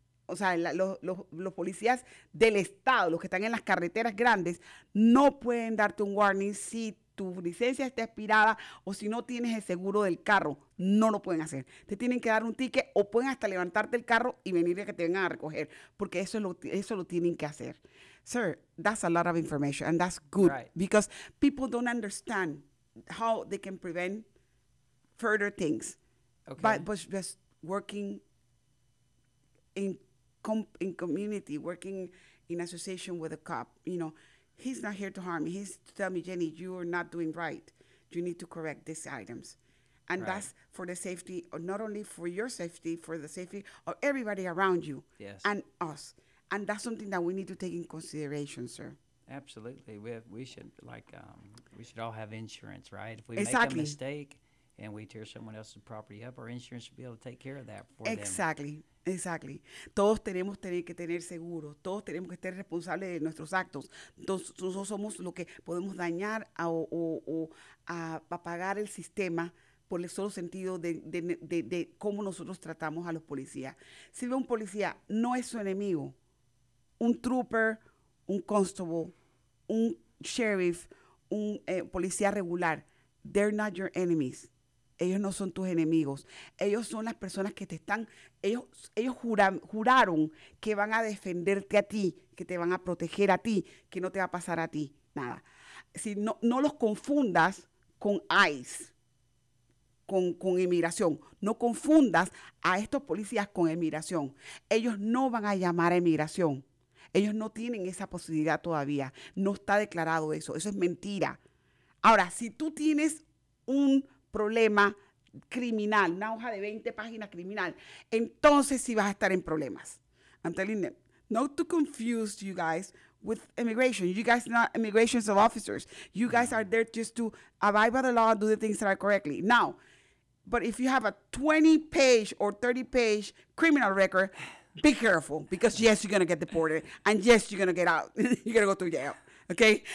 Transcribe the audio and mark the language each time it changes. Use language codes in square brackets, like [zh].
[es] O sea, los policías del estado, los que están en las carreteras grandes, no pueden darte un warning si tu licencia está expirada o si no tienes el seguro del carro. No lo pueden hacer. Te tienen que dar un ticket o pueden hasta levantarte el carro y venir a que te vengan a recoger, porque eso lo tienen que hacer. [en] Sir, that's a lot of information, and that's good. Right. Because people don't understand how they can prevent further things. Okay. But just working in community, working in association with a cop, you know, he's not here to harm me. He's to tell me, Jenny, you are not doing right. You need to correct these items. And right. That's for the safety, not only for your safety, for the safety of everybody around you. Yes. And us. And that's something that we need to take in consideration, sir. Absolutely. We should all have insurance, right? If we make a mistake and we tear someone else's property up, our insurance should be able to take care of that for them. Exactly. [es] Todos tenemos que tener seguro. Todos tenemos que estar responsables de nuestros actos. Nosotros somos lo que podemos dañar o a pagar el sistema por el solo sentido de cómo nosotros tratamos a los policías. Si ve un policía, no es su enemigo. Un trooper, un constable, un sheriff, un policía regular, [en] they're not your enemies. [es] Ellos no son tus enemigos. Ellos son las personas que te están, ellos juraron que van a defenderte a ti, que te van a proteger a ti, que no te va a pasar a ti, nada. Si no los confundas con ICE, con inmigración. No confundas a estos policías con inmigración. Ellos no van a llamar a inmigración. Ellos no tienen esa posibilidad todavía. No está declarado eso. Eso es mentira. Ahora, si tú tienes un problema criminal, una hoja de 20 páginas criminal, entonces sí vas a estar en problemas. [en] I'm telling them, not to confuse you guys with immigration. You guys are not immigration officers. You guys are there just to abide by the law and do the things that are correctly. Now, but if you have a 20-page or 30-page criminal record, be careful, because yes, you're going to get deported, and yes, you're going to get out. You're going to go to jail. Okay?